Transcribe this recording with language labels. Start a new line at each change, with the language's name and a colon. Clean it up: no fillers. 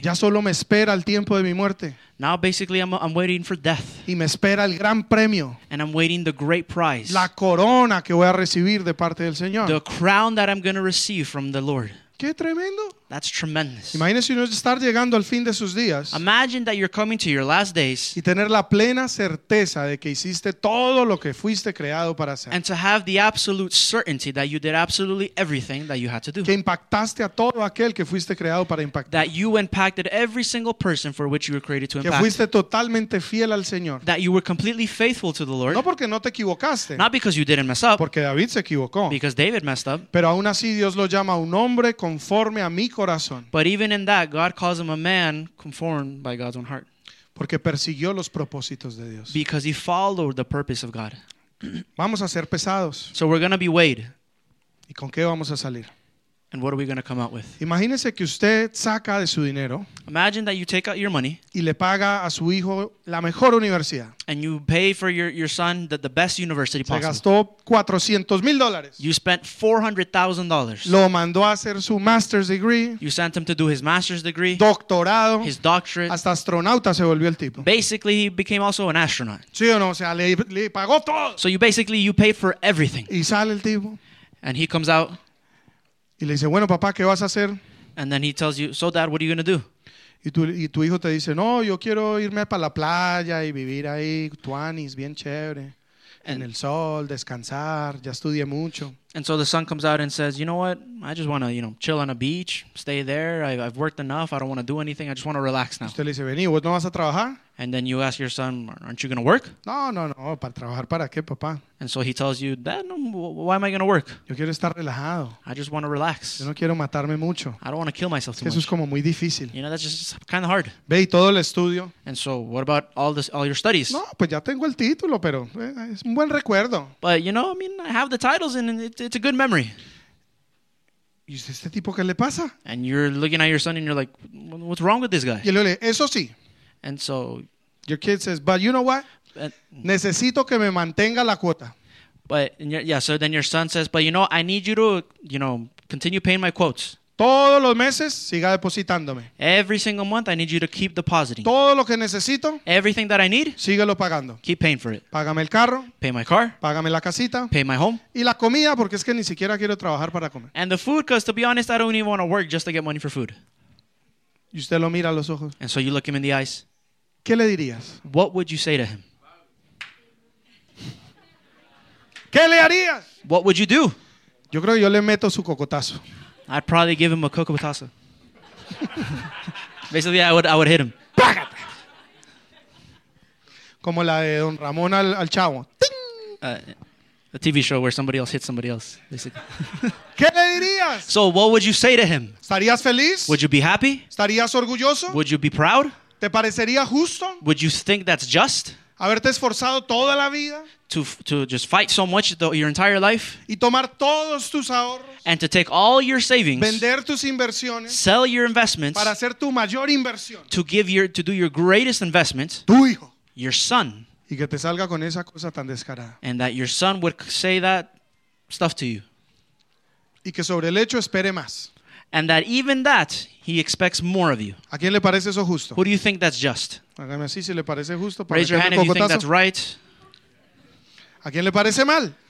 Spanish: Ya solo me espera el tiempo de mi muerte.
English: Now basically I'm waiting for death.
Spanish: Y me espera el gran premio.
English: And I'm waiting the great prize.
Spanish: La corona que voy a recibir de parte del Señor.
English: The crown that I'm going to receive from the Lord.
Spanish: Qué tremendo.
English: That's tremendous.
Spanish: Imagínese uno estar llegando al fin de sus días.
English: Imagine that you're coming to your last days.
Spanish: Y tener la plena certeza de que hiciste todo lo que fuiste creado para hacer.
English: And to have the absolute certainty that you did absolutely everything that you had to do.
Spanish: Que impactaste a todo aquel que fuiste creado para impactar.
English: That you impacted every single person for which you were created to impact.
Spanish: Que fuiste totalmente fiel al Señor.
English: That you were completely faithful to the Lord.
Spanish: No porque no te equivocaste.
English: Not because you didn't mess up.
Spanish: Porque David se equivocó.
English: Because David messed up.
Spanish: Pero aún así Dios lo llama un hombre conforme a mí.
English: But even in that, God calls him a man conformed by God's own heart.
Spanish: Porque persiguió los propósitos de Dios.
English: Because he followed the purpose of God.
Spanish: Vamos a ser pesados.
English: So we're going to be weighed.
Spanish: ¿Y con qué vamos a salir?
English: And what are we going to come out with?
Spanish: Imagínese que usted saca de su dinero.
English: Imagine that you take out your money.
Spanish: Y le paga a su hijo la mejor universidad.
English: And you pay for your son the best university possible.
Spanish: Se gastó $400,000.
English: You spent $400,000.
Spanish: Lo mandó a hacer su master's degree.
English: You sent him to do his master's degree.
Spanish: Doctorado.
English: His doctorate.
Spanish: Hasta astronauta se volvió el tipo.
English: Basically, he became also an astronaut.
Spanish: Sí o no, o sea, le pagó todo.
English: So you paid for everything.
Spanish: Y sale el tipo.
English: And he comes out.
Spanish: Y le dice, bueno, papá, ¿qué vas a hacer?
English: And then he tells you, so dad, what are you going to do?
Spanish: Y tu hijo te dice, no, yo quiero irme para la playa y vivir ahí, tuanis, bien chévere, en el sol, descansar, ya estudié mucho.
English: And so the son comes out and says, you know what, I just want to, you know, chill on a beach, stay there, I've worked enough, I don't want to do anything, I just want to relax now.
Spanish: Usted le dice, vení, ¿vos no vas a trabajar?
English: And then you ask your son, aren't you going to work?
Spanish: No, ¿para trabajar para qué, papá?
English: And so he tells you, dad, no, why am I going to work?
Spanish: Yo quiero estar relajado.
English: I just want to relax.
Spanish: Yo no quiero matarme mucho.
English: I don't want to kill myself too much.
Spanish: Eso es como muy difícil.
English: You know, that's just kind of hard.
Spanish: Ve y todo el estudio.
English: And so what about all your studies?
Spanish: No, pues ya tengo el título, pero es un buen recuerdo.
English: But, you know, I mean, I have the titles and it's a good memory.
Spanish: ¿Y este tipo qué le pasa?
English: And you're looking at your son and you're like, what's wrong with this guy?
Spanish: Y le, eso sí.
English: And so your kid says, but you know what?
Spanish: Necesito que me mantenga la cuota.
English: But yeah, so then your son says, but you know, I need you to, you know, continue paying my quotes.
Spanish: Todos los meses siga depositándome.
English: Every single month I need you to keep depositing.
Spanish: Todo lo que necesito.
English: Everything that I need.
Spanish: Síguelo pagando.
English: Keep paying for it.
Spanish: Págame el carro.
English: Pay my car.
Spanish: Págame la casita.
English: Pay my home.
Spanish: Y la comida, porque es que ni siquiera quiero trabajar para comer.
English: And the food, because to be honest, I don't even want to work just to get money for food.
Spanish: Y usted lo mira a los ojos.
English: And so you look him in the eyes.
Spanish: ¿Qué le dirías?
English: What would you say to him?
Spanish: ¿Qué le harías?
English: What would you do?
Spanish: Yo creo que yo le meto su cocotazo.
English: I'd probably give him a cocotazo. Basically, I would hit him.
Spanish: ¡Págate! Como la de Don Ramón al Chavo.
English: A TV show where somebody else hits somebody else, basically.
Spanish: ¿Qué le dirías?
English: So what would you say to him?
Spanish: ¿Estarías feliz?
English: Would you be happy?
Spanish: ¿Estarías orgulloso?
English: Would you be proud?
Spanish: ¿Te parecería justo?
English: Would you think that's just?
Spanish: ¿Haberte esforzado toda la vida?
English: To just fight so much your entire life?
Spanish: ¿Y tomar todos tus ahorros?
English: And to take all your savings,
Spanish: vender tus inversiones,
English: sell your investments,
Spanish: para hacer tu mayor inversión,
English: to do your greatest investment,
Spanish: tu hijo,
English: your son,
Spanish: y que te salga con esa cosa tan descarada,
English: and that your son would say that stuff to you,
Spanish: y que sobre el hecho espere más,
English: and that even that he expects more of you.
Spanish: ¿A quién le parece eso justo?
English: Who do you think that's just?
Spanish: Hágame así si le parece justo.
English: Raise your hand if you think that's right.
Spanish: ¿A quién le parece mal?